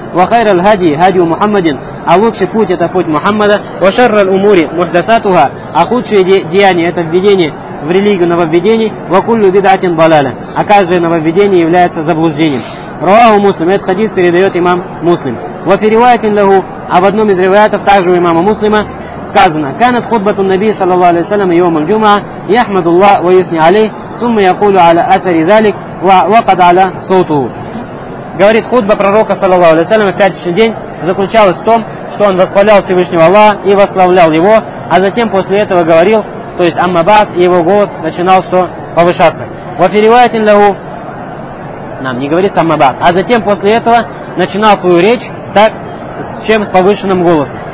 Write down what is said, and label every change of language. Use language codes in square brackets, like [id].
[ru] «Ва хайр аль-хади – хадию Мухаммадин», а лучший путь – это путь Мухаммада. «Ва шарр аль-умури – мухдасатуха», а худшие деяния – это введение в религию нововведений. «Ва куллю бидатин балаля», а каждое нововведение является заблуждением. «Руаху Муслим» – этот хадис передает имам Муслим. [ar] وفي رواية له أو [ru] одном из رواياتов также у имама Муслима сказано: [ar] كانت خطبة النبي صلى الله عليه وسلم يوم الجمعة يحمد الله ويثني عليه ثم يقول على أثر ذلك وقد على صوته. [ru] Говорит, хутба пророка, саллаллаху алейхи ва саллям, в пятничный день заключалась в том, что он восхвалял Всевышнего Аллаха и восславлял его, а затем после этого говорил, то есть аммабад, и его голос начинал что? Повышаться. Вафириватин лаву, нам не говорится аммабад, а затем после этого начинал свою речь так, с чем с повышенным голосом.